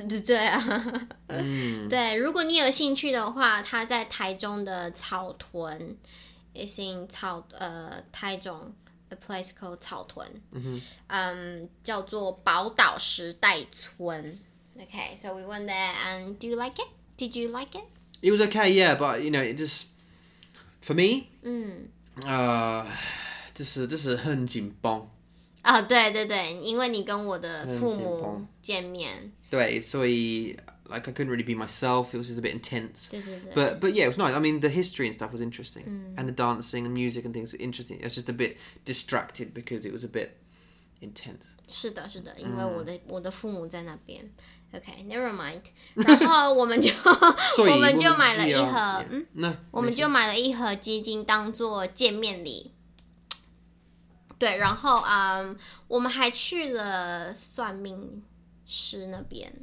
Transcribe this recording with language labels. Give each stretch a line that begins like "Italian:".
Chinese: 对啊，对，如果你有兴趣的话，他在台中的草屯 ，
English: is in
Chinese: 草台中 ，
English: a place called
Chinese: 草屯，叫做宝岛时代村。
English: Okay, so we went there, and do you like it? Did you like it? It was okay, yeah, but you know, it just for me, just
Chinese: 很紧绷。哦、oh, 对对对，因为你跟我的父母见面，对，所以
English: like I couldn't really be myself. It was just a bit intense.
Chinese: 对对对
English: but yeah, it was nice. I mean, the history and stuff was interesting, and the dancing and music and things were interesting. It was just a bit distracted because it was a bit intense.
Chinese: 是的，是的，因为我的父母在那边。
English: Okay, never mind.
Chinese: 然后我们就
English: Sorry,
Chinese: 我们就买了一盒，那我们就买了一盒鸡精当做见面礼。对，然后我们还去了算命师那边。